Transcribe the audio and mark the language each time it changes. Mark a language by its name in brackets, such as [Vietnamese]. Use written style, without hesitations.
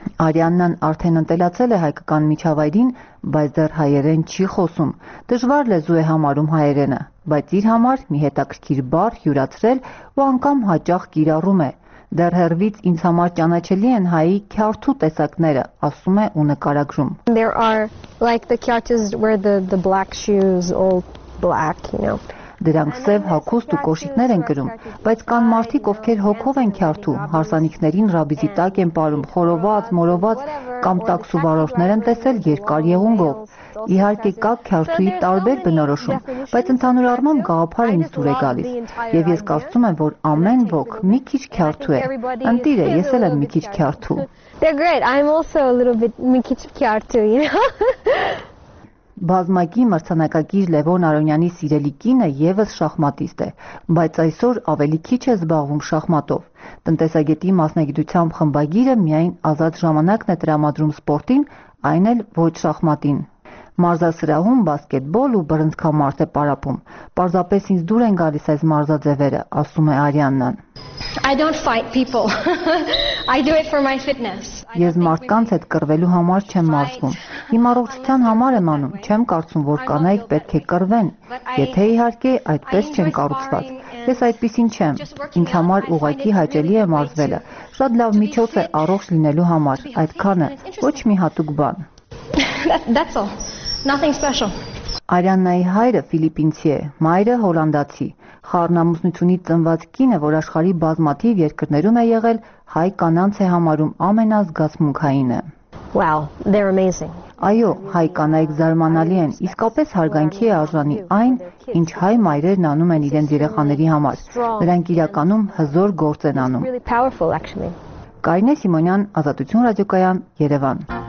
[Armenian] Արիաննան արդեն ընտելացել է հայկական միջավայրին, բայց դեռ հայերեն չի խոսում։ Դժվար լեզու է համարում հայերենը, բայց իր համար մի հետաքրքիր բառ հյուրացրել ու անգամ հաճախ կիրառում է։ Դեռ հեռվից ինձ համար ճանաչելի են հայի քյարթու տեսակները, ասում է ու նկարագրում։ [English] There are like the kyartes where the black shoes all black, you know. [Armenian] Դրանք սև հագուստ ու կոշիկներ են կրում, բայց կան մարդիկ, ովքեր հոգով են քյարթու, հարսանիքներին ռաբիզի տակ են պարում, խորոված, մորոված կամ տաքսուվարորդներ են տեսել երկար եղունգով։ Իհարկե կա քյարթուի տարբեր բնորոշում, բայց ընդհանուր առմամբ գաղափարը ինձ դուր է գալիս, և ես կարծում եմ, որ ամեն ոք մի քիչ քյարթու է։ Ընտիր է, ես էլ եմ մի քիչ քյարթու։ [English] They're great. I'm also a little bit [Armenian] մի քիչ քյարթու, [English] you know. [Armenian] Բազմակի մրցանակակիր Լևոն Արոնյանի սիրելի կինը ևս շախմատիստ է, բայց այսօր ավելի քիչ է զբաղվում շախմատով։ Տնտեսագետի մասնագիտությամբ խմբագիրը միայն ազատ ժամանակն է տրամադրում սպորտին, այն էլ ոչ շախմատին։ Մարզասրահում բասկետբոլ ու բռնցքամարտ է պարապում։ Պարզապես ինձ դուր են գալիս այս մարզաձևերը, ասում է Արիաննան։ [English] I don't fight people. I do it for my fitness. [Armenian] Ես մարդկանց հետ կռվելու համար չեմ մարզվում։ Իմ առողջության համար եմ անում, չեմ կարծում, որ կանայք պետք է կռվեն, եթե իհարկե այդպես չեն կառուցված։ Ես այդպեսին չեմ։ Ինձ համար ուղղակի հաճելի է մարզվելը։ Շատ լավ միջոց է առողջ լինելու համար, այդքանը, ոչ մի հատուկ բան։ [English] That's all. Nothing special. [Armenian] Արիաննայի հայրը ֆիլիպինցի է, մայրը հոլանդացի։ Խառնամուսնությունից ծնված կինը, որ աշխարհի բազմաթիվ երկրներում է եղել, հայ կանանց է համարում ամենազգացմունքայինը։ [English] Wow, they're amazing. [Armenian] Այո, հայ կանայք զարմանալի են, իսկապես հարգանքի է արժանի այն, ինչ հայ մայրերն անում են իրենց երեխաների համար։ Նրանք իրականում հզոր գործ են անում։ Կարինե Սիմոնյան, Ազատություն ռադիոկայան, Երևան։